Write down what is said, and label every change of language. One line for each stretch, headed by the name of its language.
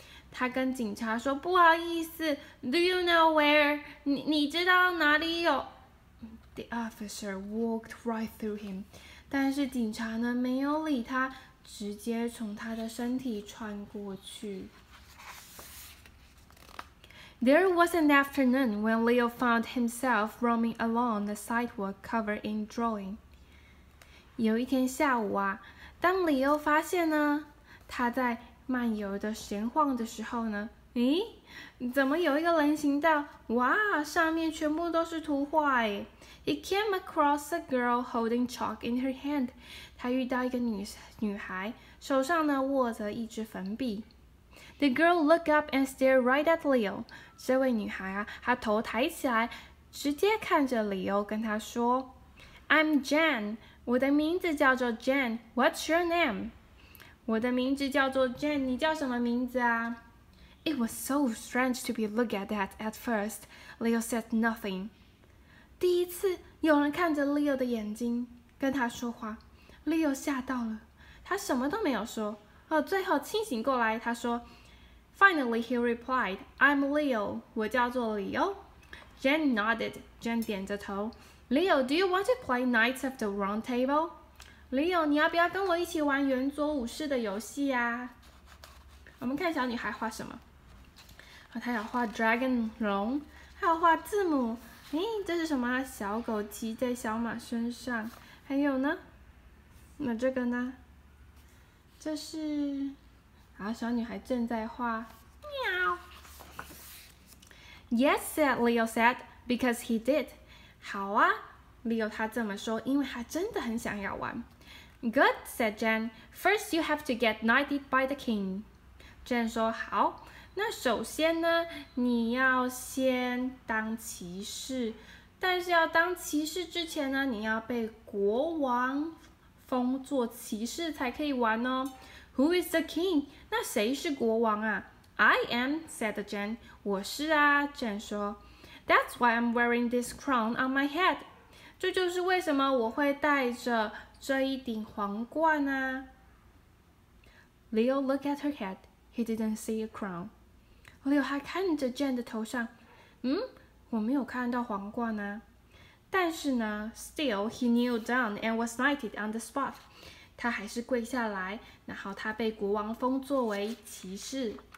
Chinese: 他跟警察说，不好意思 ，
English: Do you know where?
Chinese: 你知道哪里有？
English: The officer walked right through him.
Chinese: 但是警察呢没有理他，直接从他的身体穿过去。
English: There was an afternoon when Leo found himself roaming along the sidewalk covered in drawing.
Chinese: 有一天下午啊，当 Leo 发现呢，他在漫游的闲晃的时候呢，怎么有一个人行道？哇，上面全部都是图画耶。
English: He came across a girl holding chalk in her hand.
Chinese: 他遇到一个女孩，手上呢握着一支粉笔。
English: The girl looked up and stared right at Leo.
Chinese: 这位女孩啊，她头抬起来，直接看着 Leo， 跟她说
English: ：“I'm Jen.
Chinese: 我的名字叫做 Jen.
English: What's your name？”
Chinese: 我的名字叫做 Jen， 你叫什么名字啊？
English: It was so strange to be looked at that at first. Leo said nothing.
Chinese: 第一次有人看着 Leo 的眼睛跟他说话 ，Leo 吓到了，他什么都没有说。最后清醒过来，他说
English: ，Finally he replied, "I'm Leo."
Chinese: 我叫做李欧。
English: Jen nodded.
Chinese: Jen 点着头。
English: Leo, do you want to play Knights of the Round Table?
Chinese: Leo, 你要不要跟我一起玩圆桌武士的游戏啊？我们看小女孩画什么？她要画 dragon 龙，还要画字母。这是什么？小狗骑在小马身上。还有呢？那这个呢？这是啊，小女孩正在画喵。
English: Yes, said Leo said, because he did.
Chinese: 好啊 ，Leo 他这么说，因为他真的很想要玩。
English: Good, said Jen. First, you have to get knighted by the king.
Chinese: Jen 说好，那首先呢，你要先当骑士，但是要当骑士之前呢，你要被国王。封做骑士才可以玩哦。
English: Who is the king?
Chinese: 那谁是国王啊？
English: I am, said Jen.
Chinese: 我是啊， Jen 说。
English: That's why I'm wearing this crown on my head.
Chinese: 这就是为什么我会戴着这一顶皇冠啊。
English: Leo looked at her head. He didn't see a crown.
Chinese: Leo 还看着 Jen 的头上。我没有看到皇冠啊。但是呢
English: ，still he kneeled down and was knighted on the spot.
Chinese: 他还是跪下来，然后他被国王封作为骑士。